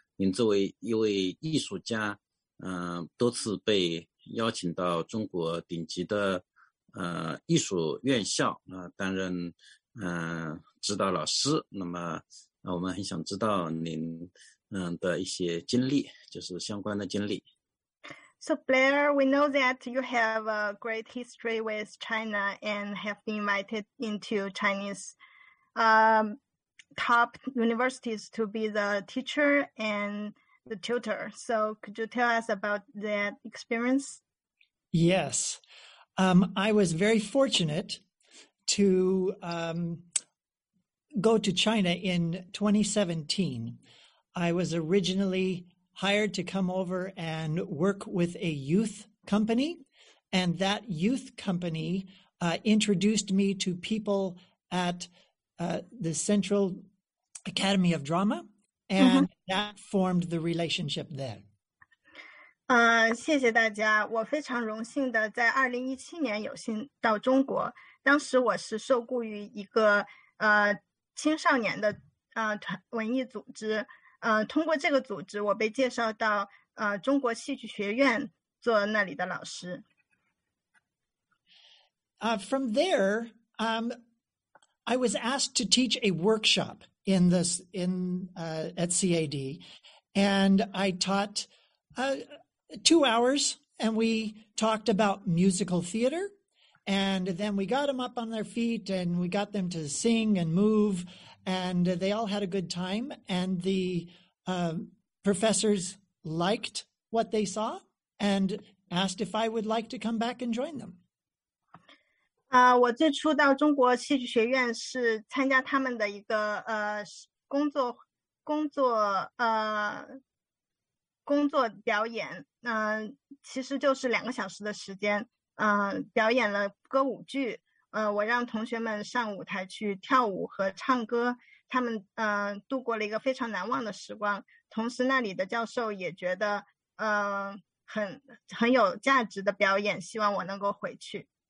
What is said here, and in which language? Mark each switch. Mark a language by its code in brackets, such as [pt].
[zh] 您作为一位艺术家，多次被邀请到中国顶级的艺术院校担任指导老师。那么我们很想知道您的一些经历，就是相关的经历。 [en] So Blair, we know that you have a great history with China and have been invited into Chinese top universities to be the teacher and the tutor. So could you tell us about that experience? Yes. I was very fortunate to go to China in 2017. I was originally hired to come over and work with a youth company. And that youth company introduced me to people at the Central Academy of Drama, and that formed the relationship there. [zh] 谢谢大家。我非常荣幸的在2017年有幸到中国。当时我是受雇于一个青少年的文艺组织。通过这个组织，我被介绍到中国戏剧学院做那里的老师。 [en] From there, I was asked to teach a workshop at CAD, and I taught 2 hours, and we talked about musical theater, and then we got them up on their feet, and we got them to sing and move, and they all had a good time, and the professors liked what they saw and asked if I would like to come back and join them. [zh] 我最初到中国戏剧学院是参加他们的一个工作表演，其实就是两个小时的时间，表演了歌舞剧，我让同学们上舞台去跳舞和唱歌，他们度过了一个非常难忘的时光，同时那里的教授也觉得很有价值的表演，希望我能够回去。